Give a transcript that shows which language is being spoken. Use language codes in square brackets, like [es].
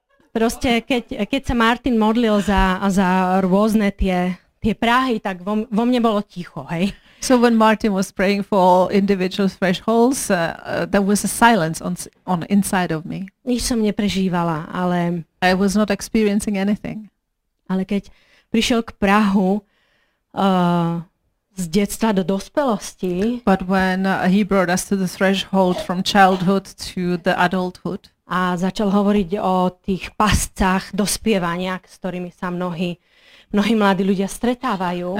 [sk] Proste, keď sa Martin modlil za rôzne tie práhy, tak vo mne bolo ticho, hej. [en] So when Martin was praying for all individual thresholds, there was a silence on inside of me. [sk] Nič som neprežívala, ale... [en] I was not experiencing anything. [sk] Ale keď prišiel k prahu z detstva do dospelosti... [en] But when he brought us to the threshold from childhood to the adulthood, [sk] a začal hovoriť o tých pascách dospievania, s ktorými sa mnohí mladí ľudia stretávajú.